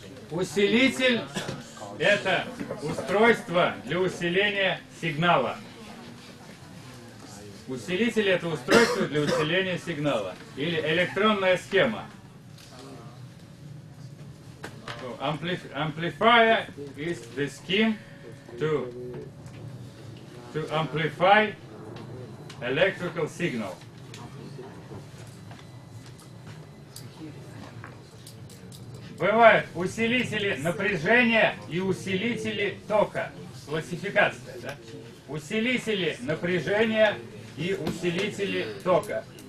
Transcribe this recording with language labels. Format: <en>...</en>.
<ru>Усилитель – это устройство для усиления сигнала. Усилитель – это устройство для усиления сигнала. Или электронная схема.</ru> <en>Amplifier is the scheme to amplify electrical signal.</en> <ru>Бывают усилители напряжения и усилители тока. Классификация, да? Усилители напряжения и усилители тока.</ru>